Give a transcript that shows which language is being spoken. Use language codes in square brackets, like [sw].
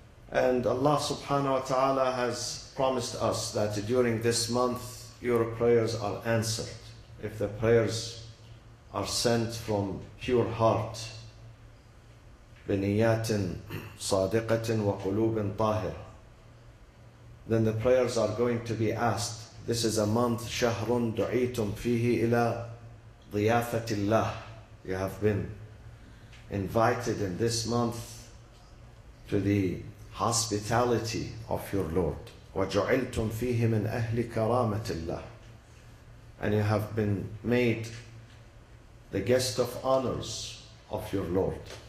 [en] And Allah subhanahu wa ta'ala has promised us that during this month your prayers are answered. If the prayers are sent from pure heart, [ar] بِنِيَّاتٍ صَادِقَةٍ وَقُلُوبٍ طَاهِرٍ, [en] then the prayers are going to be asked. This is a month, [ar] شَهْرٌ دُعِيتُمْ فِيهِ إِلَىٰ ضِيَافَةِ اللَّهِ. [en] You have been invited in this month to the hospitality of your Lord. [ar] وَجُعِلْتُمْ فِيهِ مِنْ أَهْلِ كَرَامَةِ اللَّهِ. [en] And you have been made the guest of honors of your Lord.